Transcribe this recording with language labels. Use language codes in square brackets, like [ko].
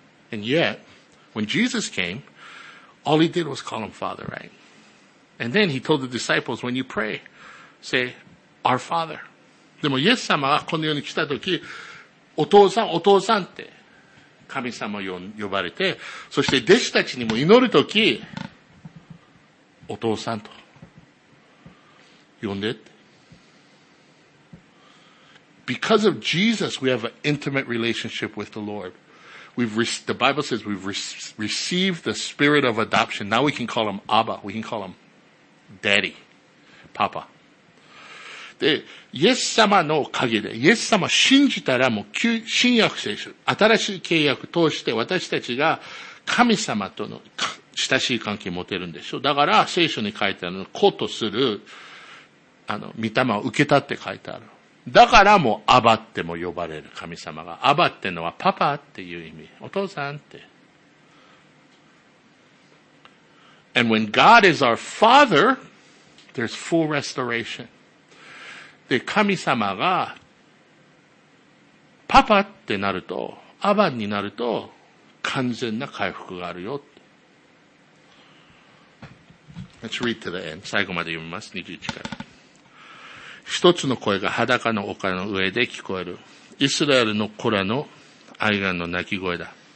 [en] And yet, when Jesus came, all he did was call him Father, right? And then he told the disciples, when you pray, say, Our Father. [ja] でもイエス様がこの世に来た時、お父さん、お父さんって神様を呼ばれて、そして弟子たちにも祈る時、お父さんと呼んでって。 [en] Because of Jesus, we have an intimate relationship with the Lord. The Bible says we've received the spirit of adoption. Now we can call him Abba. We can call him Daddy. Papa. [ja] で、イエス様のおかげで、イエス様信じたらもう新約聖書、新しい契約通して私たちが神様との親しい関係を持てるんでしょう。だから聖書に書いてあるの、子とする、御霊を受けたって書いてある。だからもう、アバっても呼ばれる神様が。アバってのはパパっていう意味。お父さんって。 [en] And when God is our Father, there's full restoration. [ja] で、神様が、パパってなると、アバになると、完全な回復があるよ。 [en] Let's read to the end. [ja] 最後まで読みます。21から。一つの声が裸の丘の上で聞こえる。イスラエルの子らの哀願の泣き声だ。